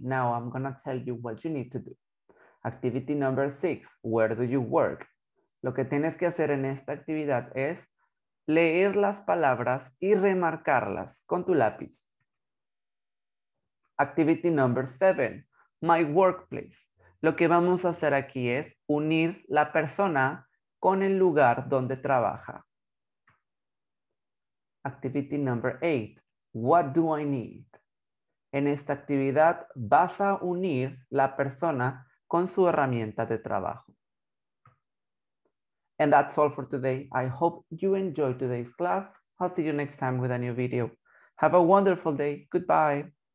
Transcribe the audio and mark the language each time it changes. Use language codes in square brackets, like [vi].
[en] Now I'm gonna tell you what you need to do. Activity number 6, where do you work? [es] Lo que tienes que hacer en esta actividad es leer las palabras y remarcarlas con tu lápiz. [en] Activity number 7, my workplace. [es] Lo que vamos a hacer aquí es unir la persona con el lugar donde trabaja. [en] Activity number 8, what do I need? [es] En esta actividad vas a unir la persona con su herramienta de trabajo. [en] And that's all for today. I hope you enjoyed today's class. I'll see you next time with a new video. Have a wonderful day. Goodbye.